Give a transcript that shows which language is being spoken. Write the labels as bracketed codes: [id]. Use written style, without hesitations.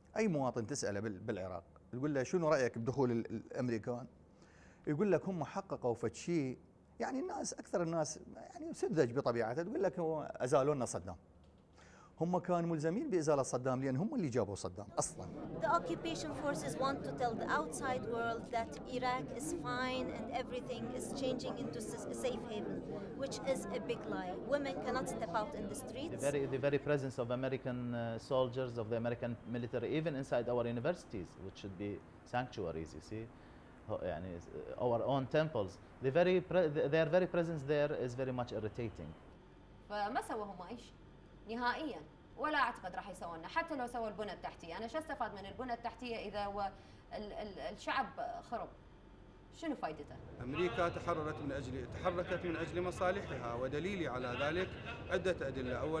[ar] أي مواطن تسأله بالعراق يقول له شنو رأيك بدخول الأمريكان، يقول لك هم حققوا فتشي يعني الناس أكثر الناس يعني سذج بطبيعته تقول لك هو أزالونا صدام. هم كانوا ملزمين بإزالة صدام لأن هم اللي جابوا صدام أصلاً. [en] The occupation forces want to tell the outside world that Iraq is fine and everything is changing into safe haven, which is a big lie. Women cannot step out in the streets. The very presence of American soldiers of the American military even inside our universities, which should be sanctuaries, you see. [ar] يعني [en] our own temples, their very presence there is very much irritating. [ar] فما سووا هم أي شيء نهائيا ولا أعتقد راح يسوونا حتى لو سووا البنى التحتية. أنا شو استفاد من البنى التحتية إذا الشعب خرب؟ شنو فائدته؟ أمريكا تحركت من أجل مصالحها، ودليلي على ذلك عدة أدلة.